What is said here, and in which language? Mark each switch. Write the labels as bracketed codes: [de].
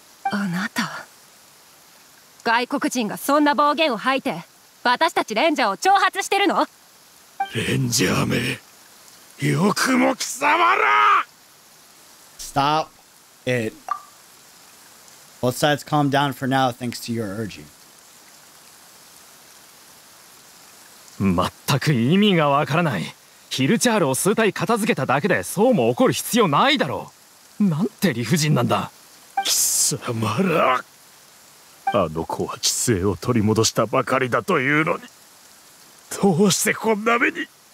[ja] あなた、外国人がそんな暴言を吐いて私たちレンジャーを挑発してるの？レンジャーめ、よくも貴様ら。 [en] Stop it. Both sides calm down for now thanks to your urging. [ja] 全く意味がわからない。ヒルチャールを数体片付けただけでそうも怒る必要ないだろう。なんて理不尽なんだ。貴様ら、あの子は知性を取り戻したばかりだというのに、どうしてこんな目に。